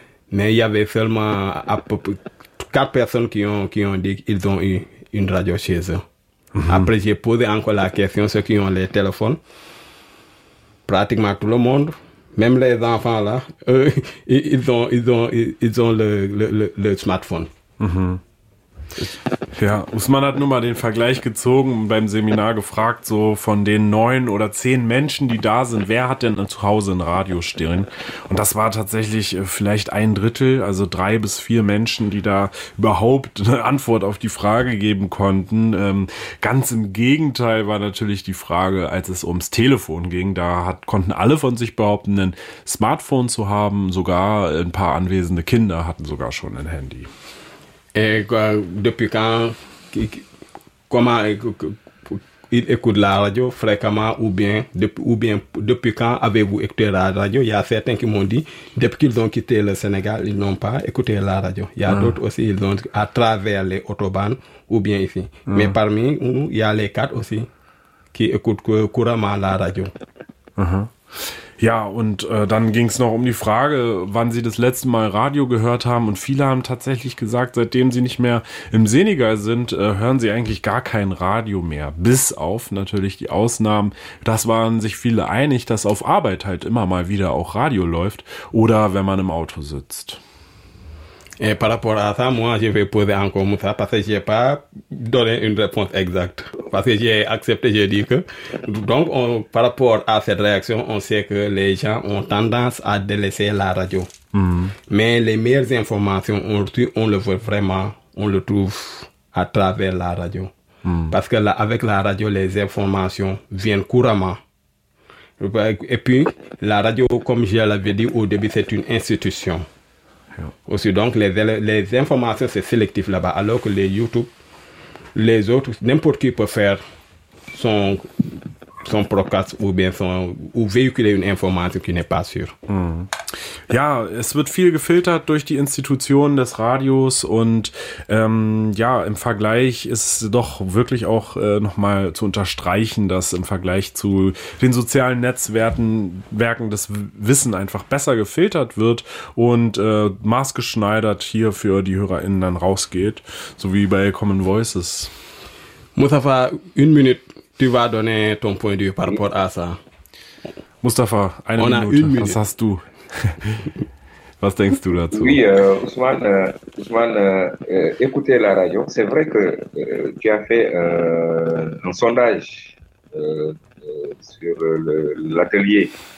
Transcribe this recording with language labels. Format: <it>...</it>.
<fr>Mais il y avait seulement à peu près 4 personnes qui ont dit qu'ils ont eu une radio chez eux. Après, j'ai posé encore la question, ceux qui ont les téléphones, pratiquement tout le monde, même les enfants là, eux, ils ont le smartphone.</fr> <de>Ja, Usman hat nur mal den Vergleich gezogen und beim Seminar gefragt, so von den 9 oder 10 Menschen, die da sind, wer hat denn zu Hause ein Radio stehen? Und das war tatsächlich vielleicht ein Drittel, also 3 bis 4 Menschen, die da überhaupt eine Antwort auf die Frage geben konnten. Ganz im Gegenteil war natürlich die Frage, als es ums Telefon ging, da konnten alle von sich behaupten, ein Smartphone zu haben, sogar ein paar anwesende Kinder hatten sogar schon ein Handy.</de> <fr>Et depuis quand, comment il écoute la radio fréquemment ou bien depuis quand avez-vous écouté la radio? Il y a certains qui m'ont dit, depuis qu'ils ont quitté le Sénégal, ils n'ont pas écouté la radio. Il y a d'autres aussi, ils ont à travers les autobahns ou bien ici. Mais parmi nous, il y a les 4 aussi qui écoutent couramment la radio.</fr> <de>Ja, und dann ging es noch um die Frage, wann sie das letzte Mal Radio gehört haben. Und viele haben tatsächlich gesagt, seitdem sie nicht mehr im Senegal sind, hören sie eigentlich gar kein Radio mehr. Bis auf natürlich die Ausnahmen. Das waren sich viele einig, dass auf Arbeit halt immer mal wieder auch Radio läuft. Oder wenn man im Auto sitzt.</de> <fr>Et par rapport à ça, moi, je vais poser encore Moussa parce que je n'ai pas donné une réponse exacte. Parce que j'ai accepté, j'ai dit que... Donc, par rapport à cette réaction, on sait que les gens ont tendance à délaisser la radio. Mais les meilleures informations, on le voit vraiment, on le trouve à travers la radio. Parce que là, avec la radio, les informations viennent couramment. Et puis, la radio, comme je l'avais dit au début, c'est une institution. Aussi, donc, les informations, c'est sélectif là-bas, alors que les YouTube, les autres, n'importe qui peut faire son podcast ou véhiculer une information qui n'est pas sûre.</fr> <de>Ja, es wird viel gefiltert durch die Institutionen des Radios und ja, im Vergleich ist doch wirklich auch nochmal zu unterstreichen, dass im Vergleich zu den sozialen Netzwerken das Wissen einfach besser gefiltert wird und maßgeschneidert hier für die HörerInnen dann rausgeht, so wie bei Common Voices.</de> <fr>Mustafa, une minute, tu vas donner ton point de vue par rapport à ça.</fr> <de>Mustafa, eine Minute.</de> <fr>Une minute,</fr> <de>was hast du? Was denkst du dazu?</de> <fr>Oui, Ousmane, écoutez la radio. C'est vrai que tu as fait un sondage sur l'atelier.</fr>